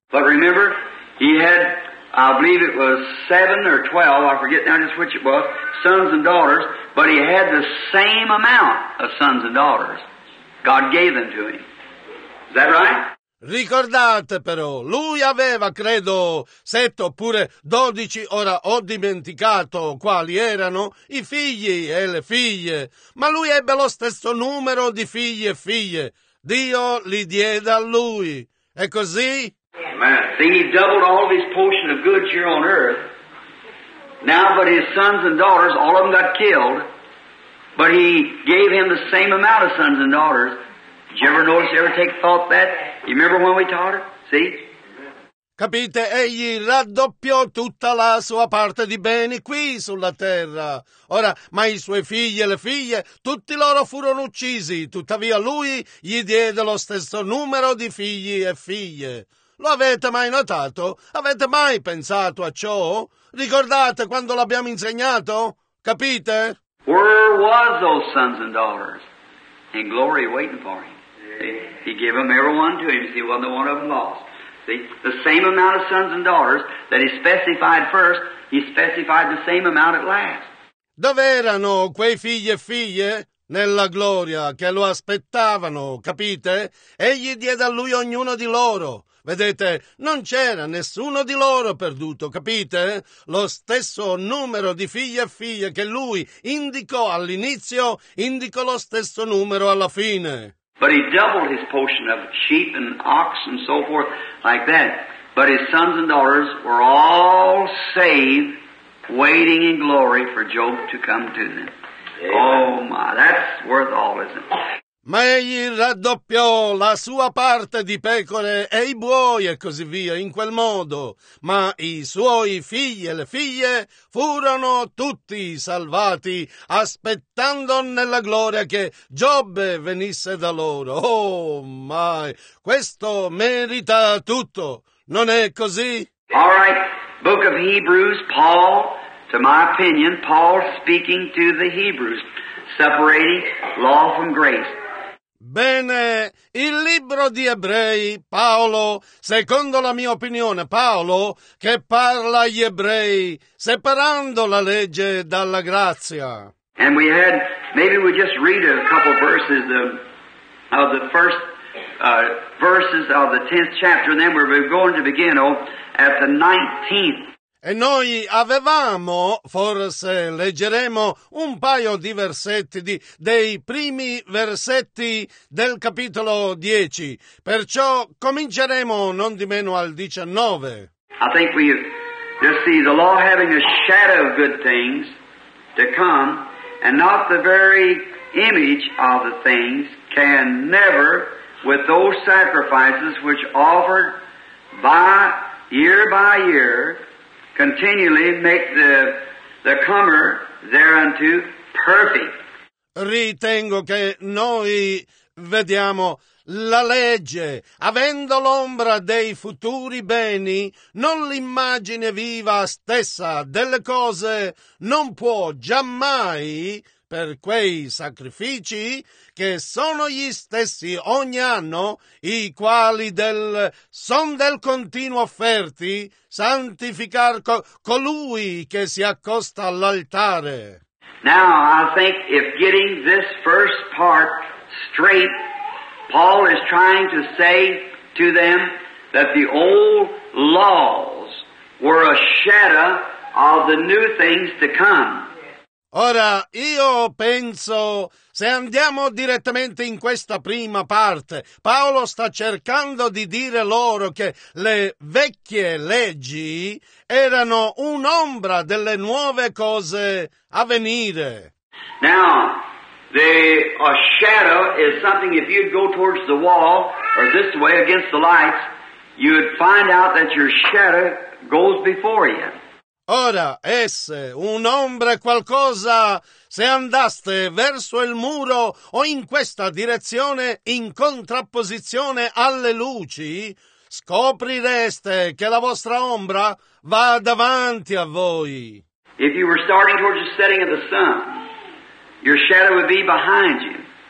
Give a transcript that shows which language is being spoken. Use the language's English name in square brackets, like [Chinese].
[English] But remember, he had... I believe it was 7 or 12, I forget now just which it was, sons and daughters, but he had the same amount of sons and daughters. God gave them to him. Is that right? [Italian] Ricordate però, lui aveva, credo, 7 oppure 12, ora ho dimenticato quali erano, i figli e le figlie, ma lui ebbe lo stesso numero di figli e figlie. Dio li diede a lui. E così... Amen. [English] See, he doubled all of his portion of goods here on earth. Now, but his sons and daughters, all of them got killed, but he gave him the same amount of sons and daughters. Did you ever notice, ever take thought of that? You remember when we taught it? See? [Italian] Capite, egli raddoppiò tutta la sua parte di beni qui sulla terra. Ora, ma i suoi figli e le figlie, tutti loro furono uccisi. Tuttavia, lui gli diede lo stesso numero di figli e figlie. Lo avete mai notato? Avete mai pensato a ciò? Ricordate quando l'abbiamo insegnato? Capite? [English] Where was those sons and daughters? In glory waiting for him. See? He gave them every one to him. See, wasn't one of them lost. See? The same amount of sons and daughters that he specified first, he specified the same amount at last. [Italian] Dove erano quei figli e figlie? Nella gloria che lo aspettavano, capite? Egli diede a lui ognuno di loro. Vedete, non c'era nessuno di loro perduto, capite? Lo stesso numero di figli e figlie che lui indicò all'inizio, indicò lo stesso numero alla fine. [English] But he doubled his portion of sheep and ox and so forth like that. But his sons and daughters were all saved, waiting in glory for Job to come to them. Oh my, that's worth all, isn't it? [Italian] Ma egli raddoppiò la sua parte di pecore e i buoi e così via in quel modo, ma i suoi figli e le figlie furono tutti salvati aspettando nella gloria che Giobbe venisse da loro. [English] Oh my, [Italian] questo merita tutto, non è così? [English] All right, Book of Hebrews, Paul, to my opinion, Paul speaking to the Hebrews, separating law from grace. [Italian] Bene, il libro di Ebrei, Paolo, secondo la mia opinione, Paolo, che parla agli ebrei, separando la legge dalla grazia. [English] And we had, maybe we just read a couple verses of the first verses of the 10th chapter, and then we're going to begin at the 19th. [Italian] E noi avevamo, forse leggeremo un paio di versetti, dei primi versetti del capitolo 10. Perciò cominceremo non di meno al 19. [English] I think we just see the law having a shadow of good things to come, and not the very image of the things, can never, with those sacrifices which offered by year by year, continually make the comer thereunto perfect. [Italian] Ritengo che noi vediamo la legge, avendo l'ombra dei futuri beni, non l'immagine viva stessa delle cose, non può giammai, per quei sacrifici che sono gli stessi ogni anno, i quali son del continuo offerti, santificar colui che si accosta all'altare. [English] Now, I think if getting this first part straight, Paul is trying to say to them that the old laws were a shadow of the new things to come. [Italian] Ora, io penso, se andiamo direttamente in questa prima parte, Paolo sta cercando di dire loro che le vecchie leggi erano un'ombra delle nuove cose a venire. [English] Now, a shadow is something, if you'd go towards the wall, or this way against the lights, you'd find out that your shadow goes before you. [Italian] Ora, esse, un'ombra, qualcosa, se andaste verso il muro o in questa direzione, in contrapposizione alle luci, scoprireste che la vostra ombra va davanti a voi. [English] If you were starting towards the setting of the sun, your shadow would be behind you.